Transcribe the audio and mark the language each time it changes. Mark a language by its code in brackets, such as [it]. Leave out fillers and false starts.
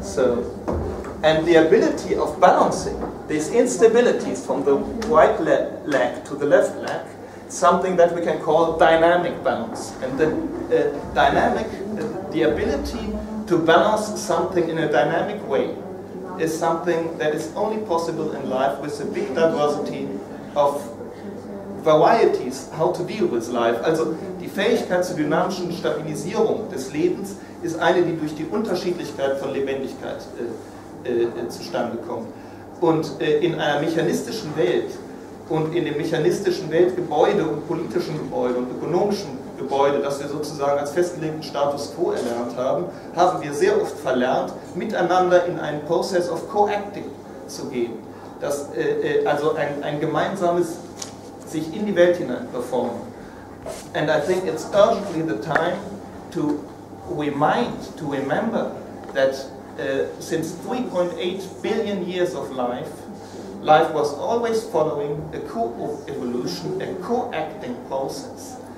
[en] So, and the ability of balancing these instabilities from the right leg to the left leg, something that we can call dynamic balance. And the dynamic, the ability to balance something in a dynamic way, is something that is only possible in life with a big diversity of varieties, how to deal with life. [de] Also die Fähigkeit zur dynamischen Stabilisierung des Lebens ist eine, die durch die Unterschiedlichkeit von Lebendigkeit zustande kommt. Und in einer mechanistischen Welt und in dem mechanistischen Weltgebäude und politischen Gebäude und ökonomischen Gebäude, das wir sozusagen als festgelegten Status quo erlernt haben, haben wir sehr oft verlernt, miteinander in einen [en] Process of co-acting [de] zu gehen. Dass also ein gemeinsames sich in die Welt hinein performen. [en] And I think it's urgently the time to remember that since 3.8 billion years of life, life was always following a co-evolution, a co-acting process.